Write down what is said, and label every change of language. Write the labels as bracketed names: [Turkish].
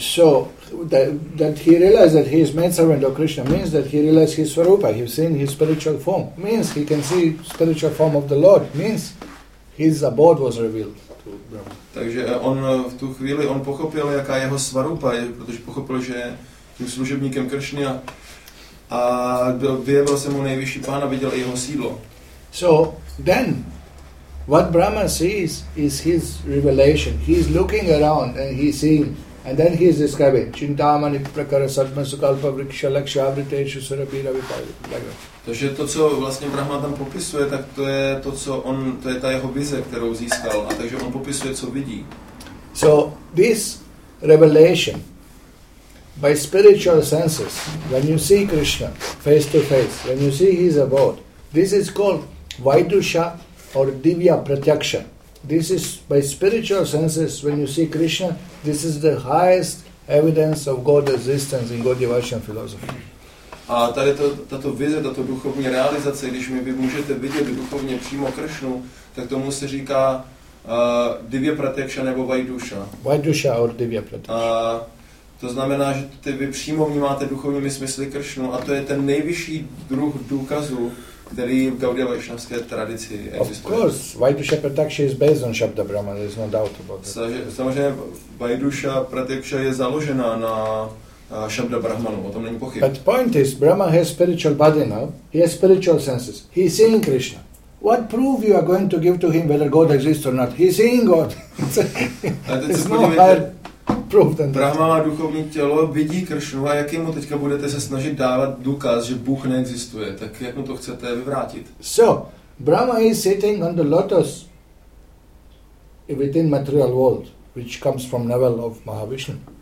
[English] So, that he realized that he is made servant of Krishna means that he realized his Swarupa, he's seen his spiritual form, means he can see spiritual form of the Lord, means his abode was revealed to Brahma. [Czech] Takže on v tu chvíli on pochopil, jaká jeho Swarupa je, protože pochopil, že je tím služebníkem Krishny a vyjevil se mu nejvyšší Pán a viděl jeho sídlo. [English] So then, what Brahma sees is his revelation. He is looking around and he is seeing, and then he is describing. [Sanskrit] Chintamani prakara sadma sukalpa vriksha laksha vriteshu surabhi ravi pavitra. [Czech] Takže to, co vlastně Brahma tam popisuje, tak to je to, co on, to je ta jeho vize, kterou získal. A takže on popisuje, co vidí. [English] So this revelation by spiritual senses, when you see Krishna face to face, when you see his abode, this is called Vaidusha or Divya Pratyaksha. This is by spiritual senses when you see Krishna, this is the highest evidence of God's existence in Gaudiya Vaishnava philosophy. [Czech] A tady to, tato vize, tato duchovní realizace, když mi vy můžete vidět duchovně přímo Krishnu, tak tomu se říká Divya Pratyaksha nebo Vaidusha. [English] Vaidusha or Divya Pratyaksha. [Czech] To znamená, že ty vy přímo vnímáte duchovními smysly Krishnu a to je ten nejvyšší druh důkazu, který v Gaudiya Vaishnavské tradici existuje. [English] Of course, Vaidusha Pratyaksha is based on Shabda Brahma, there is no doubt about it. [Czech] Samozřejmě Vaidusha Pratyaksha je založena na Shabda Brahmanu, o tom není pochyb. [English] But point is, Brahma has spiritual body now, he has spiritual senses, he is seeing Krishna. what proof you are going to give to him whether God exists or not? He's in God. It's no hard proof than that. [Czech] Brahma má duchovní tělo, vidí Kršnu a jak mu teďka budete se snažit dávat důkaz, že Bůh neexistuje, tak jak mu to chcete vyvrátit? [English] So, Brahma is sitting on the lotus within material world, which comes from level of Mahavishnu.